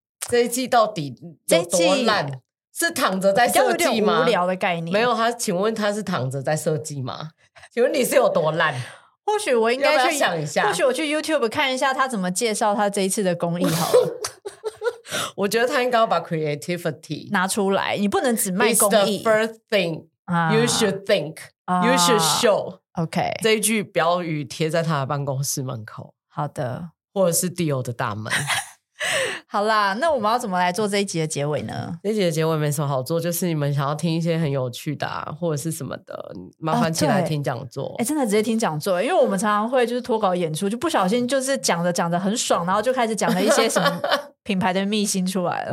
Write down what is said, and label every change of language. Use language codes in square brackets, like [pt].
[zh] 这一季到底有多烂？是躺着在设计吗？无聊的概念。没有，他请问他是躺着在设计吗？请问你是有多烂？或许我应该去要不要想一下，或许我去 YouTube 看一下他怎么介绍他这一次的工艺好了。我觉得他应该要把 creativity 拿出来，你不能只卖工艺。 [en] It's the first thing you should think,、you should show. OK, [zh] 这一句标语贴在他的办公室门口。好的，或者是 Dior 的大门。好啦，那我们要怎么来做这一集的结尾呢？这一集的结尾没什么好做，就是你们想要听一些很有趣的、或者是什么的，麻烦起来听讲座。哎、真的直接听讲座，因为我们常常会就是脱稿演出，就不小心就是讲着很爽，然后就开始讲了一些什么品牌的秘辛出来了。